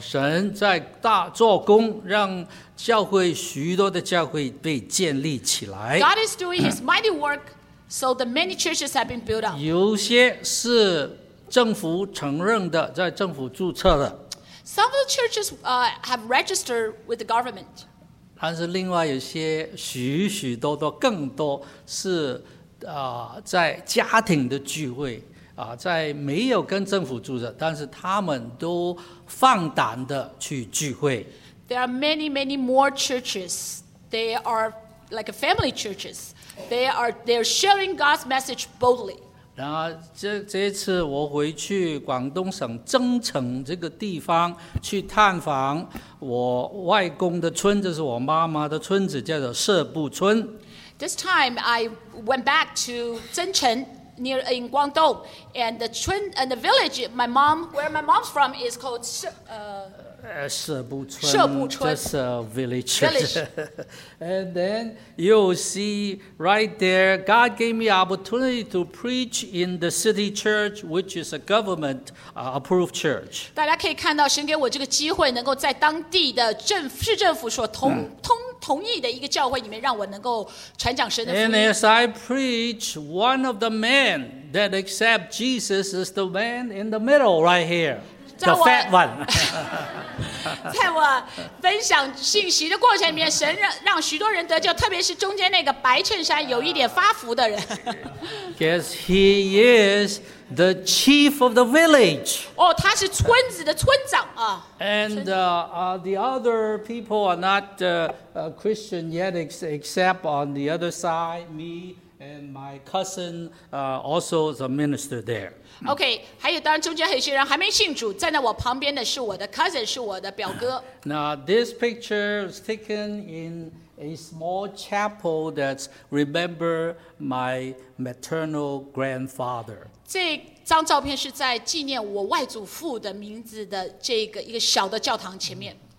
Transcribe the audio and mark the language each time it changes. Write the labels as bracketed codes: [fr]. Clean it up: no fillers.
[zh] 神在大做工，让教会许多的教会被建立起来。God [en] is doing His mighty work, so the many churches have been built up. [zh] 有些是政府承认的，在政府注册的。Some [en] of the churches have registered with the government. [zh] 但是另外有些许许多多更多是。在家庭的聚会在没有跟政府住着，但是他们都放胆的去聚会。 [en] There are many, many more churches. They are like family churches. They're sharing God's message boldly. [zh] 然后这次我回去广东省增城这个地方去探访我外公的村，这是我妈妈的村子，叫做社部村。 [en] This time I went back to Zhengcheng near in Guangdong, and the twin and the village my mom where my mom's from is called 社部村 just a village. And then you see right there, God gave me opportunity to preach in the city church, which is a government approved church. [zh] 大家可以看到，神给我这个机会，能够在当地的市政府所同意的一个教会里面，让我能够传讲神的福音。 [en] And as I preach, one of the men that accept Jesus is the man in the middle right here, the fat one. [zh] 在我分享信息的过程里面，神让许多人得救，特别是中间那个白衬衫有一点发福的人。 [en] Guess he is the chief of the village. [zh] 哦，他是村子的村长啊。 [en] And the other people are not Christian yet, except on the other side, me and my cousin, also is a minister there. [zh] Okay, 还有当然中间还有些人还没信主，站在我旁边的是我的 cousin, 是我的表哥。 [en] Now this picture is taken in a small chapel that's remember my maternal grandfather. [zh] 这张照片是在纪念我外祖父的名字的这个一个小的教堂前面。